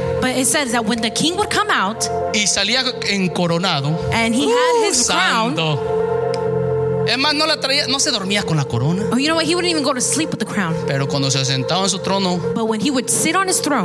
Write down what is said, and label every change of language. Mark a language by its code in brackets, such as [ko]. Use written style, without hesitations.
[en] but it says that when the king would come out, [es] y salía encoronado, [en] and he had his crown. [es] Es más, no la traía, no se dormía con la corona. [en] Oh, you know what? He wouldn't even go to sleep with the crown. [es] Pero cuando se sentaba en su trono, [en] but when he would sit on his throne,